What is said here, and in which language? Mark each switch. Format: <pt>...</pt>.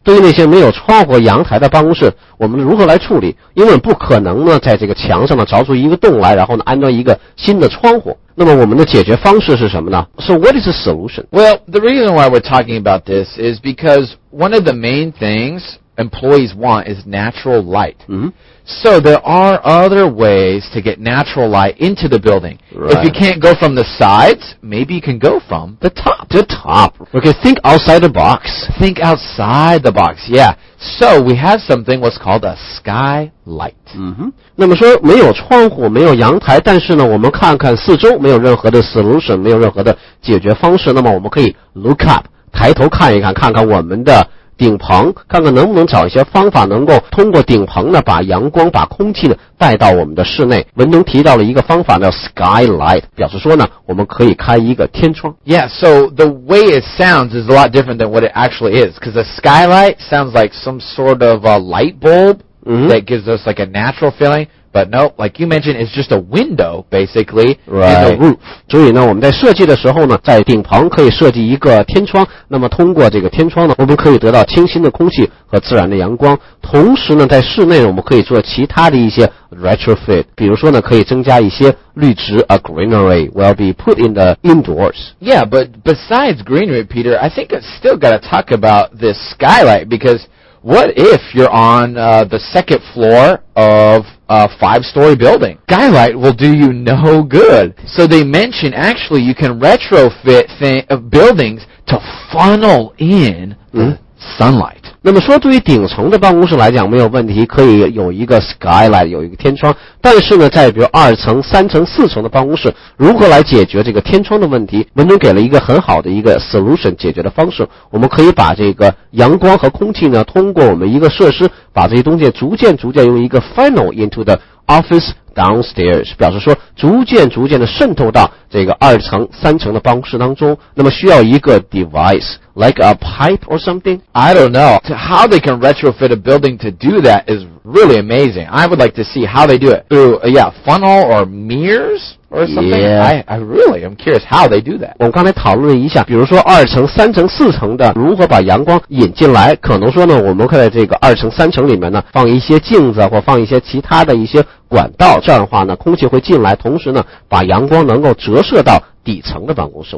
<zh>对于那些没有窗户阳台的办公室，我们如何来处理？因为不可能呢，在这个墙上呢凿出一个洞来，然后呢安装一个新的窗户。那么我们的解决方式是什么呢？</zh> <en>So what is the solution? Well, the reason why we're talking about this is because one of the main things employees want is natural light. Mm-hmm. So there are other ways to get natural light into the building. Right. If you can't go from the sides, maybe you can go from the top. The top. Okay, think outside the box. Think outside the box, yeah. So we have something what's called a skylight. Mm-hmm.</en> <zh>那么说没有窗户没有阳台但是呢我们看看四周没有任何的 solution, 没有任何的解决方式那么我们可以</zh> <en>look up,</en> <zh>抬头看一看看看我们的顶棚看看能不能找一些方法能够通过顶棚呢把阳光把空气呢带到我们的室内文中提到了一个方法叫 skylight 表示说呢我们可以开一个天窗</zh> <en>Yeah, so the way it sounds is a lot different than what it actually is because a skylight sounds like some sort of a light bulb、 mm-hmm. that gives us like a natural feeling but no, like you mentioned, it's just a window basically Right. in the roof</en> <zh>所以呢我们在设计的时候呢在顶棚可以设计一个天窗那么通过这个天窗呢我们可以得到清新的空气和自然的阳光同时呢在室内我们可以做其他的一些 retrofit 比如说呢可以增加一些绿植</zh> <en>a greenery will be put in the indoors Yeah, but besides greenery, Peter, I think I still got to talk about this skylight becausewhat if you're on the second floor of a five-story building? Skylight will do you no good. So they mention actually you can retrofit buildings to funnel in the sunlight.</en> <zh>那么说对于顶层的办公室来讲没有问题，可以有一个 skylight， 有一个天窗。但是呢，在比如二层、三层、四层的办公室，如何来解决这个天窗的问题？文中给了一个很好的一个 solution 解决的方式。我们可以把这个阳光和空气呢，通过我们一个设施，把这些东西逐渐用一个</zh> <en>funnel into the office downstairs，</en> <zh>表示说逐渐的渗透到这个二层、三层的办公室当中。那么需要一个</zh> <en>device。Like a pipe or something? I don't know. How they can retrofit a building to do that is really amazing. I would like to see how they do it. Through, yeah, funnel or mirrors or something? Yeah. I really am curious how they do that.</en> <zh>我们刚才讨论了一下，比如说二层、三层、四层的如何把阳光引进来，可能说呢，我们可以在这个二层、三层里面呢，放一些镜子或放一些其他的一些管道，这样的话呢，空气会进来，同时呢，把阳光能够折射到底层的办公室。</zh>